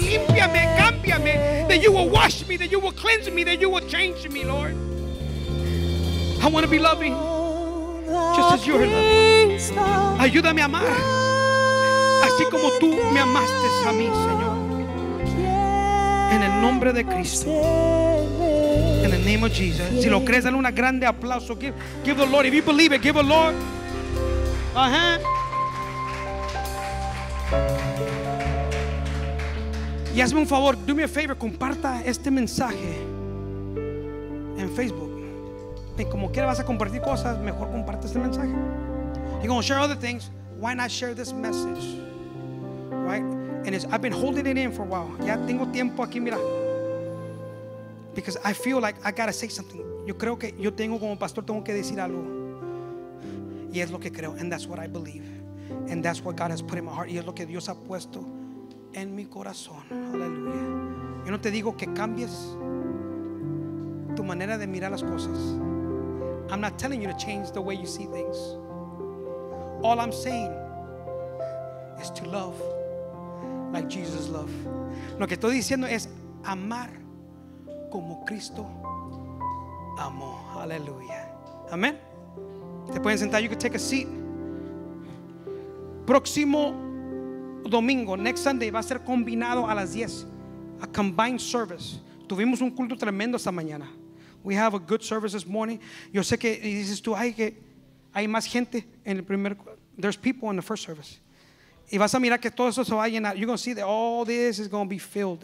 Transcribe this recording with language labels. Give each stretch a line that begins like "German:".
Spanish: Límpiame, cámbiame.
English: That you will wash me, that you will cleanse me, that you will change me, Lord. I want to be loving just as you are loving.
Spanish: Ayúdame a amar así como tú me amaste a mí, Señor. En el nombre de Cristo.
English: In the name of Jesus.
Spanish: Si lo crees, dale un grande aplauso.
English: Give the Lord. If you believe it, give the Lord. Uh-huh.
Spanish: Y hazme un favor.
English: Do me a favor.
Spanish: Comparta este mensaje en Facebook. Y como quiera vas a compartir cosas, mejor comparte este mensaje.
English: You're going to share other things. Why not share this message? Right? And it's, I've been holding it in for a while.
Spanish: Ya tengo tiempo aquí, mira.
English: Because I feel like I gotta say something.
Spanish: Yo creo que yo tengo como pastor tengo que decir algo. Y es lo que creo.
English: And that's what I believe. And that's what God has put in my heart.
Spanish: Y es lo que Dios ha puesto en mi corazón. Aleluya. Yo no te digo que cambies tu manera de mirar las cosas.
English: I'm not telling you to change the way you see things. All I'm saying is to love like Jesus loved.
Spanish: Lo que estoy diciendo es amar como Cristo amó. Aleluya. Amén. Te pueden sentar.
English: You can take a seat.
Spanish: Próximo domingo,
English: next Sunday,
Spanish: va a ser combinado a las 10.
English: A combined service.
Spanish: Tuvimos un culto tremendo esta mañana.
English: We have a good service this morning.
Spanish: Yo sé que dices tú, ay, que hay más gente en el primer.
English: There's people in the first service.
Spanish: Y vas a mirar que todo eso se va a llenar.
English: You're going to see that all this is going to be filled.